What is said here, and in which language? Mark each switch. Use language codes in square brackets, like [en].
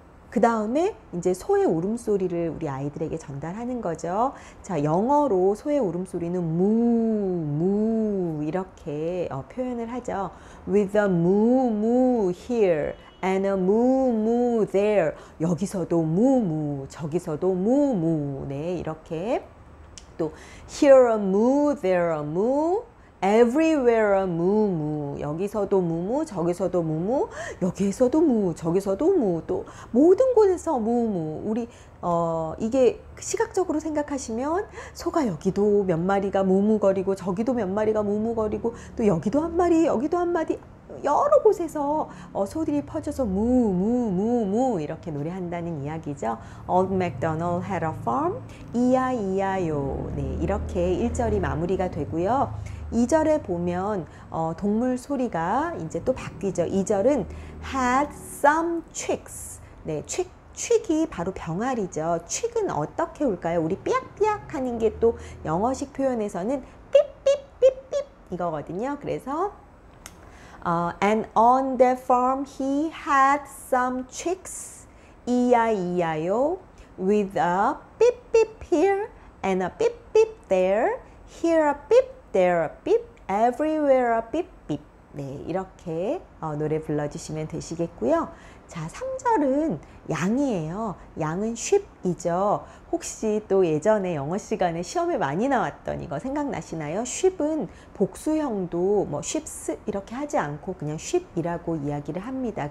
[ko] 그 다음에 이제 소의 울음소리를 우리 아이들에게 전달하는 거죠. 자, 영어로 소의 울음소리는 moo 이렇게 표현을 하죠. [en] With a moo moo here and a moo moo there. [ko] 여기서도 moo moo, 저기서도 moo moo. 네, 이렇게 또 [en] here a moo, there a moo. Everywhere a moo moo. [ko] 여기서도 moo moo, 저기서도 moo moo, 여기에서도 moo, 저기서도 moo, 또 모든 곳에서 moo moo. 우리 이게 시각적으로 생각하시면 소가 여기도 몇 마리가 무무거리고 저기도 몇 마리가 무무거리고 또 여기도 한 마리, 여기도 한 마리 여러 곳에서 소들이 퍼져서 무무무무 이렇게 노래한다는 이야기죠. [en] Old MacDonald had a farm. E-I-E-I-O. [ko] 네, 이렇게 1절이 마무리가 되고요. 2절에 보면 동물 소리가 이제 또 바뀌죠. 2절은 [en] had some chicks. [ko] 네, chick이 바로 병아리죠. chick은 어떻게 울까요? 우리 삐약삐약 하는 게 또 영어식 표현에서는 삐삐삐삐삐 이거거든요. 그래서 [en] and on the farm he had some chicks. E-I-E-I-O with a beep-beep here and a beep-beep there. Here a beep, there a beep, everywhere a beep-beep. [ko] 네, 이렇게 노래 불러주시면 되시겠고요. 자, 3절은 양이에요. 양은 sheep이죠. 혹시 또 예전에 영어 시간에 시험에 많이 나왔던 이거 생각나시나요? sheep은 복수형도 뭐 sheeps 이렇게 하지 않고 그냥 sheep이라고 이야기를 합니다.